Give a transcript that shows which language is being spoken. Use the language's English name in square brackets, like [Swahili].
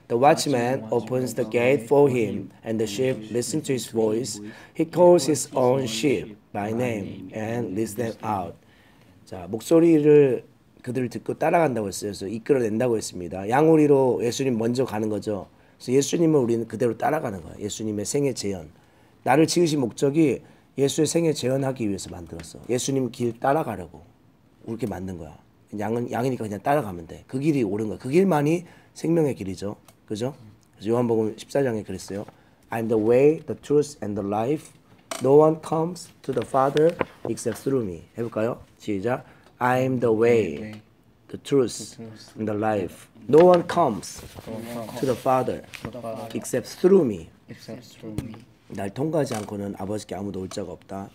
[English] The watchman opens the gate for him, and the sheep listen to his voice. He calls his own sheep by name and leads them out. [Korean] 자 목소리를 그들을 듣고 따라간다고 했어요. 그래서 이끌어낸다고 했습니다. 양우리로 예수님 먼저 가는 거죠. 그래서 예수님을 우리는 그대로 따라가는 거예요. 예수님의 생애 재현. 나를 지으신 목적이 예수의 생애 재현하기 위해서 만들었어. 예수님 길 따라가려고 그렇게 만든 거야. 양은 양이니까 그냥 따라가면 돼. 그 길이 옳은 거야. 그 길만이 생명의 길이죠. 그죠? 그래서 요한복음 14장에 그랬어요. [English] I'm the way, the truth, and the life. No one comes to the Father except through me. [Korean] 해볼까요? 시작. [English] I'm the way, the truth, and the life. No one comes to the Father except through me. [Korean] 날 통과하지 않고는 아버지께 아무도 올 자가 없다.